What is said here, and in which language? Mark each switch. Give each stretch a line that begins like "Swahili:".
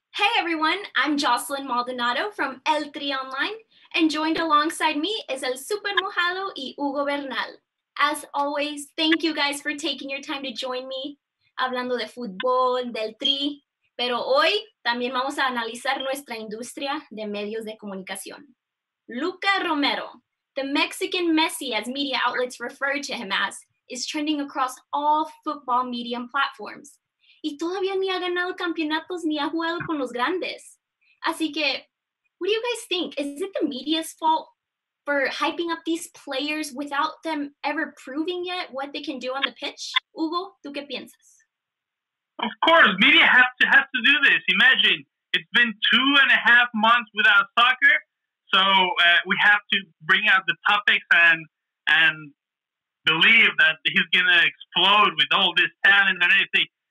English: Hey everyone, I'm Jocelyn Maldonado from El Tri Online, and joined alongside me is El Super Mojado y Hugo Bernal. As always, thank you guys for taking your time to join me,
Spanish: hablando de fútbol, del Tri, pero hoy también vamos a analizar nuestra industria de medios de comunicación.
English: Luka Romero, the Mexican Messi, as media outlets refer to him as, is trending across all football media platforms.
Spanish: Y todavía ni ha ganado campeonatos ni ha jugado con los grandes. Así que,
English: what do you guys think? Is it the media's fault for hyping up these players without them ever proving yet what they can do on the pitch?
Spanish: Hugo, ¿tú qué piensas?
English: Of course, media has to do this. Imagine, it's been 2.5 months without soccer, so we have to bring out the topics and believe that he's going to explode with all this talent and everything.